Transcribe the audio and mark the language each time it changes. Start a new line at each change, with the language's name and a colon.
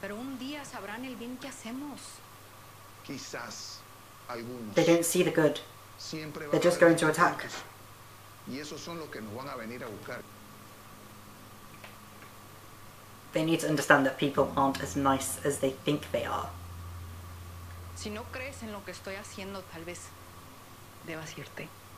Spanish: Pero un día sabrán el bien que hacemos. Quizás algunos.
English: They don't see the good.
Spanish: Siempre
English: they're just going to attack.
Spanish: Y esos son los que nos van a venir a buscar.
English: They need to understand that people aren't as nice as they think they are.
Spanish: Si no crees en lo que estoy haciendo, tal vez debas irte.